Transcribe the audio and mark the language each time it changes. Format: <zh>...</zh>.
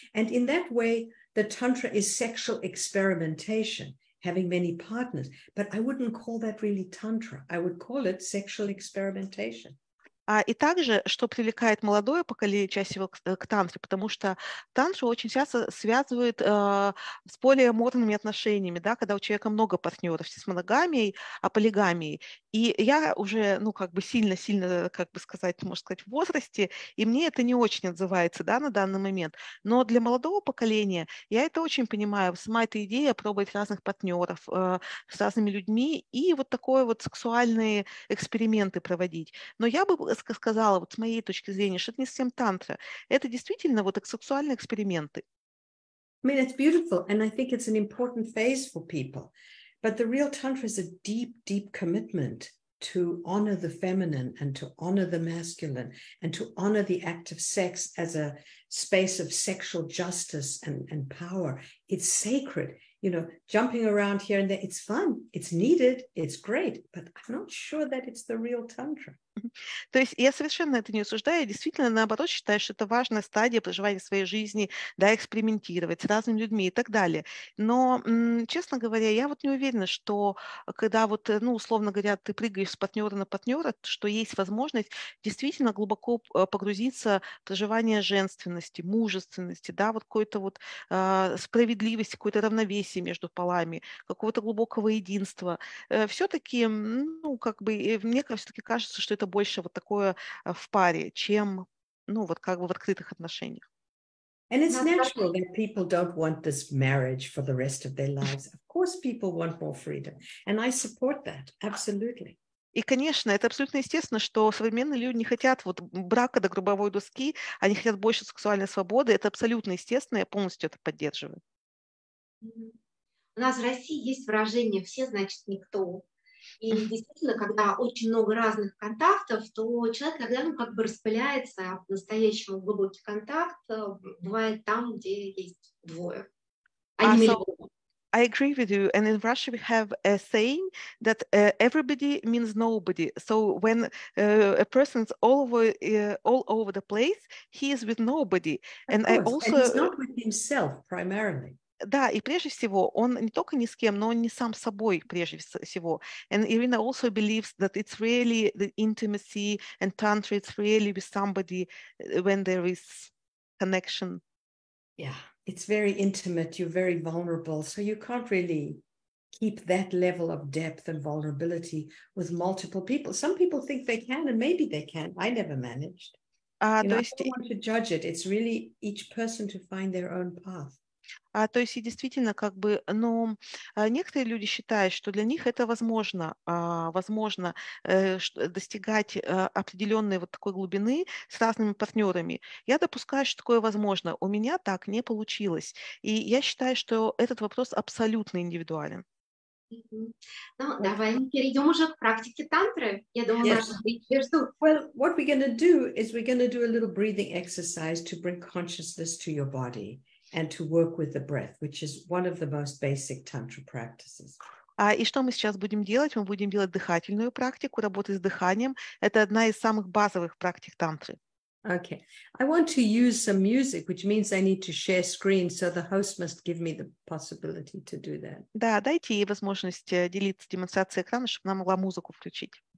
<en>And in that way, the tantra is sexual experimentation, having many partners. But I wouldn't call that really tantra. I would call it sexual experimentation.</en> <ru>И также, что привлекает молодое поколение чаще всего к тантре, потому что тантру очень часто связывают с полиаморными отношениями, да, когда у человека много партнеров, с моногамией, а полигамией. И я уже, ну, как бы сильно-сильно, как бы сказать, можно сказать, в возрасте, и мне это не очень отзывается, да, на данный момент. Но для молодого поколения я это очень понимаю. Сама эта идея пробовать разных партнеров с разными людьми и вот такое вот сексуальные эксперименты проводить. Но я бы сказала, вот с моей точки зрения, что это не совсем тантра. Это действительно вот сексуальные эксперименты.</ru> <en>I mean, it's beautiful, and I think it's an important phase for people. But the real tantra is a deep, deep commitment to honor the feminine and to honor the masculine and to honor the act of sex as a space of sexual justice and power. It's sacred. You know, jumping around here and there, it's fun, it's needed, it's great, but I'm not sure that it's the real tantra.</en> <ru>То есть я совершенно это не осуждаю, я действительно, наоборот, считаю, что это важная стадия проживания своей жизни, да, экспериментировать с разными людьми и так далее. Но, честно говоря, я вот не уверена, что когда вот, ну, условно говоря, ты прыгаешь с партнера на партнера, что есть возможность действительно глубоко погрузиться в проживание женственности, мужественности, да, вот какой-то вот справедливости, какое-то равновесие между полами, какого-то глубокого единства. Все-таки, ну, как бы, мне все-таки кажется, что это больше вот такое в паре, чем, ну, вот как бы в открытых отношениях.</ru> <en>And it's natural that people don't want this marriage for the rest of their lives. Of course people want more freedom. And I support that, absolutely.</en> <ru>И, конечно, это абсолютно естественно, что современные люди не хотят вот брака до гробовой доски, они хотят больше сексуальной свободы. Это абсолютно естественно, я полностью это поддерживаю. У нас в России есть выражение «все, значит, никто». И действительно, когда очень много разных контактов, то человек иногда, ну, как бы распыляется в настоящем глубокий контакт, бывает там, где есть двое, а не миллион.</ru> <en>I agree with you, and in Russia we have a saying that everybody means nobody. So when a person is all over the place, he is with nobody. And I also... And he's not with himself primarily.</en> <ru>Да, и прежде всего, он не только ни с кем, но он не сам собой прежде всего.</ru> <en>And Irina also believes that it's really the intimacy and tantra, it's really with somebody when there is connection. Yeah, it's very intimate, you're very vulnerable, so you can't really keep that level of depth and vulnerability with multiple people. Some people think they can, and maybe they can. I never managed. I don't want to judge it. It's really each person to find their own path.</en> <ru>То есть, и действительно, как бы, но некоторые люди считают, что для них это возможно, возможно достигать определенной вот такой глубины с разными партнерами. Я допускаю, что такое возможно. У меня так не получилось. И я считаю, что этот вопрос абсолютно индивидуален. Ну, давай мы перейдем уже к практике тантры. Я думаю,</ru> <en>yes. Well, what we're going to do is we're going to do a little breathing exercise to bring consciousness to your body. And to work with the breath, which is one of the most basic tantra practices.</en> <ru>И что мы сейчас будем делать? Мы будем делать дыхательную практику, работать с дыханием. Это одна из самых базовых практик тантры.</ru> <en>Okay. I want to use some music, which means I need to share screen, so the host must give me the possibility to do that.</en> <ru>Да, дайте ей возможность делиться демонстрацией экрана, чтобы она могла музыку включить.</ru>